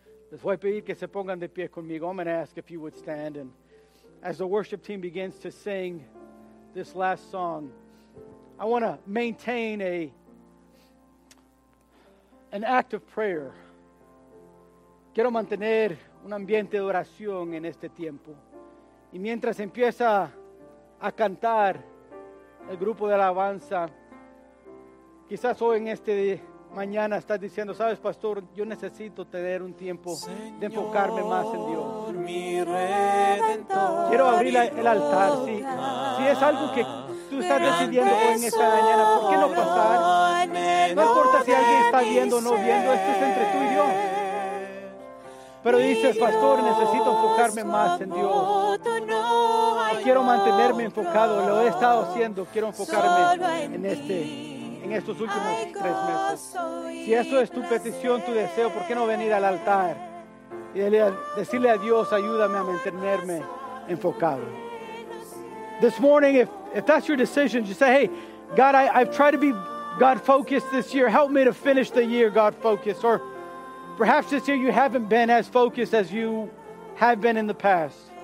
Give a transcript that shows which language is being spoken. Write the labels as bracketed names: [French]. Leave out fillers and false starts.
[Spanish] Les voy a pedir que se pongan de pie conmigo. [English] I'm going to ask if you would stand. And as the worship team begins to sing this last song, I want to maintain an act of prayer. [Spanish] Quiero mantener un ambiente de oración en este tiempo. Y mientras empieza a cantar el grupo de alabanza. Quizás hoy en este mañana estás diciendo, sabes, pastor, yo necesito tener un tiempo, Señor, de enfocarme más en Dios. Mi Redentor, quiero abrir el altar. Si sí, es algo que tú estás decidiendo hoy en esta mañana, ¿por qué no pasar? No importa si alguien está viendo o no viendo, esto es entre tú y Dios. Pero dices, pastor, necesito enfocarme más en Dios. Quiero mantenerme enfocado, lo he estado haciendo. Quiero enfocarme en estos últimos tres meses. Si eso es tu petición, tu deseo, ¿por qué no venir al altar y decirle a Dios, ayúdame a mantenerme enfocado? [English] This morning, if that's your decision, you say, hey, God, I've tried to be God-focused this year. Help me to finish the year God-focused. Or perhaps this year you haven't been as focused as you have been in the past.